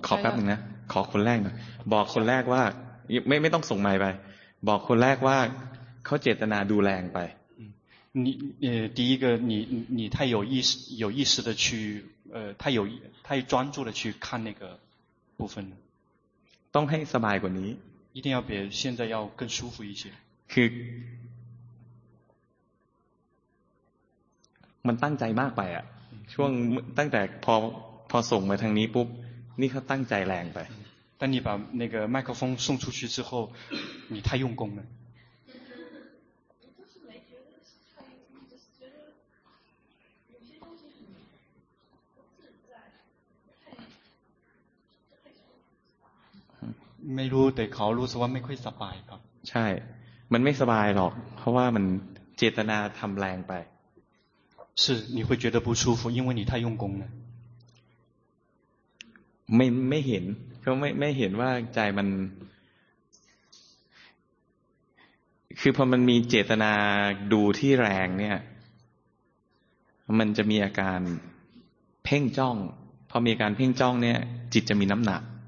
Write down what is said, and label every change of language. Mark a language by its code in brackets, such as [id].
[th] 考แป๊บนึงนะขอคนแรกหน่อยบอกคนแรกว่าไม่ต้องส่งไมค์ไปบอกคนแรกว่าเขาเจตนาดูแรงไป [zh] 第一个你太有意识的去太专注的去看那个部分了 [th] ต้องให้สบายกว่านี้ [zh] 一定要比现在要更舒服一些 [th] คือมันตั้งใจมากไปอะช่วงตั้งแต่พอส่งมาทางนี้ปุ๊บนี่เขาตั้งใจแรงไป [zh] 但你把那个麦克风送出去之后你太用功了 [th] ไม่รู้แต่เขารู้สึกว่าไม่ค่อยสบายครับ ใช่มันไม่สบายหรอกเพราะว่ามันเจตนาทำแรงไป [zh] 是你会觉得不舒服因为你太用功了 [th] ไม่เห็นก็ไม่เห็นว่าใจมันคือพอมันมีเจตนาดูที่แรงเนี่ยมันจะมีอาการเพ่งจ้องพอมีอาการเพ่งจ้องเนี่ยจิตจะมีน้ำหนัก